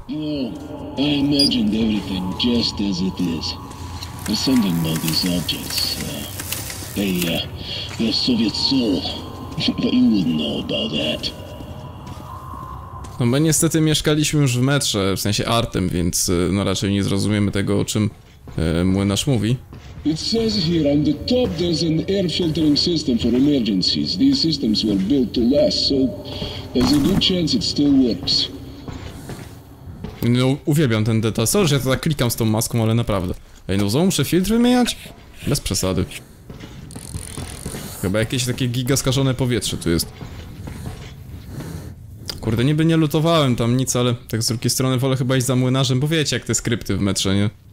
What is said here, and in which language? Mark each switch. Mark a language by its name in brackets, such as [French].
[English] No, I imagined everything just as it is. There's something about these objects. They're Soviet soul. But you wouldn't know about that. [Polish] No my niestety mieszkaliśmy już w metrze, w sensie Artem, więc no raczej nie zrozumiemy tego, o czym młynarz mówi. [English] It says here on the top there's an air filtering system for emergencies. These systems were built to last, so there's a good chance it still works. [Polish] No uwielbiam ten detal. Sorry, że ja to tak klikam z tą maską, ale naprawdę. Ej, no znowu muszę filtr wymieniać? Bez przesady. Chyba jakieś takie giga skażone powietrze tu jest. Kurde, niby nie lutowałem tam nic, ale tak z drugiej strony wolę chyba iść za młynarzem, bo wiecie jak te skrypty w metrze, nie?